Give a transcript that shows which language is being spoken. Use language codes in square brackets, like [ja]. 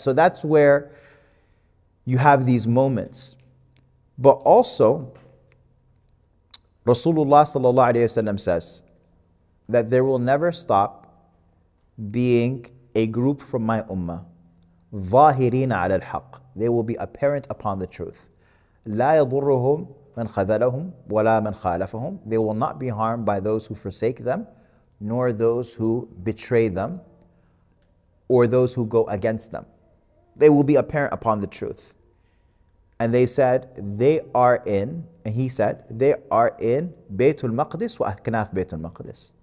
[en] So that's where you have these moments. But also, Rasulullah sallallahu alayhi wa sallam says that there will never stop being a group from my ummah. [ar] ظاهرين على الحق. [en] They will be apparent upon the truth. [ar] لا يضرهم من خذلهم ولا من خالفهم. [en] They will not be harmed by those who forsake them, nor those who betray them, or those who go against them. They will be apparent upon the truth. And they said, they are in, and he said, they are in [ar] بيت المقدس وأكناف بيت المقدس.